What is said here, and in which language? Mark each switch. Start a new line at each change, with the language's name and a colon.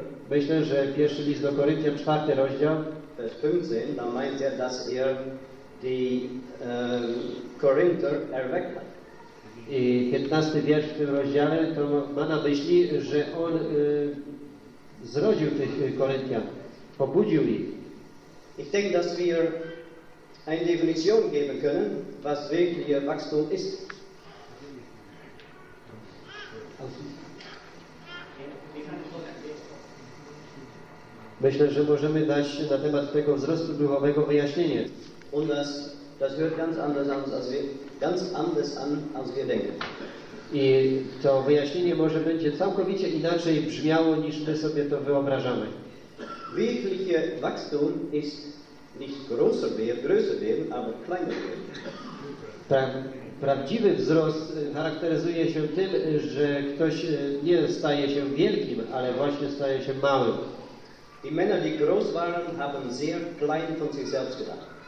Polish: Myślę, że pierwszy list do Koryntian, 4 rozdział,
German: vers 15, da meint er, dass er die Korinther erweckt hat.
Polish: I 15 wiersz w tym rozdziale to ma na myśli, że on zrodził tych Koryntian, pobudził ich.
German: Ich denke, dass wir eine Definition geben können, was wirklich Wachstum ist.
Polish: Myślę, że możemy dać na temat tego wzrostu duchowego wyjaśnienie.
German: Und das hört ganz anders an als wir denken.
Polish: I to wyjaśnienie może będzie całkowicie inaczej brzmiało, niż my sobie to wyobrażamy.
German: Wirkliche Wachstum ist nicht größer werden, aber kleiner werden.
Polish: Tak, prawdziwy wzrost charakteryzuje się tym, że ktoś nie staje się wielkim, ale właśnie staje się małym.
German: Die Männer, die groß waren, haben sehr klein von sich selbst gedacht.